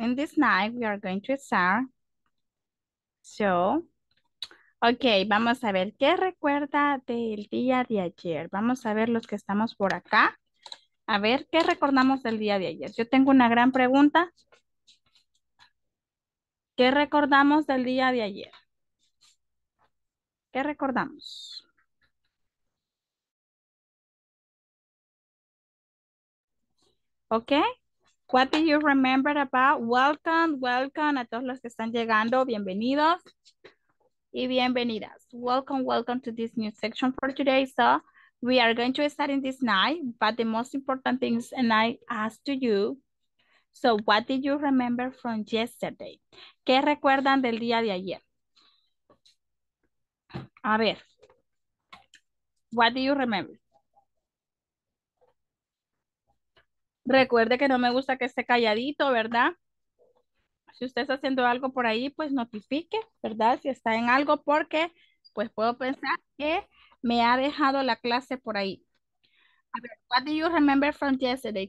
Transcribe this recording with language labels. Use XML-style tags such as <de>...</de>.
<en>In this night, we are going to start.</en> <es>So, okay, vamos a ver qué recuerda del día de ayer. Vamos a ver los que estamos por acá. A ver qué recordamos del día de ayer. Yo tengo una gran pregunta. ¿Qué recordamos del día de ayer? ¿Qué recordamos?</es> <en>Ok. What do you remember about? Welcome, welcome</en> <es>a todos los que están llegando. Bienvenidos y bienvenidas.</es> <en>Welcome, welcome to this new section for today. So we are going to start in this night, but the most important things and I ask to you. So what did you remember from yesterday?</en> <es>¿Qué recuerdan del día de ayer? A ver,</es> <en>what do you remember?</en> <es>Recuerde que no me gusta que esté calladito, ¿verdad? Si usted está haciendo algo por ahí, pues notifique, ¿verdad? Si está en algo, porque pues puedo pensar que me ha dejado la clase por ahí. A ver,</es> <en>what do you remember from yesterday?</en>